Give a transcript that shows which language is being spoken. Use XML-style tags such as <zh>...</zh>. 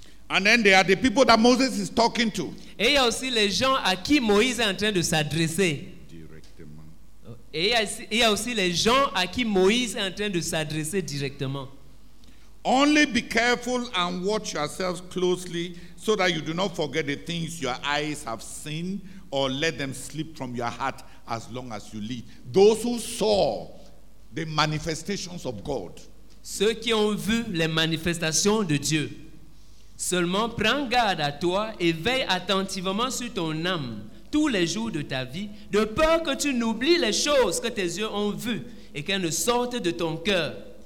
<en>And then there are the people that Moses is talking to.</en> <fr>Et il y a aussi les gens à qui Moïse est en train de s'adresser. Directement.</fr> <en>Only be careful and watch yourselves closely so that you do not forget the things your eyes have seen or let them slip from your heart as long as you live. Those who saw the manifestations of God.</en> <fr>Ceux qui ont vu les manifestations de Dieu. Seulement prends garde à toi et veille attentivement sur ton âme, tous les jours de ta vie, de peur que tu n'oublies les choses que tes yeux ont vues et qu'elles ne sortent de ton cœur.</fr>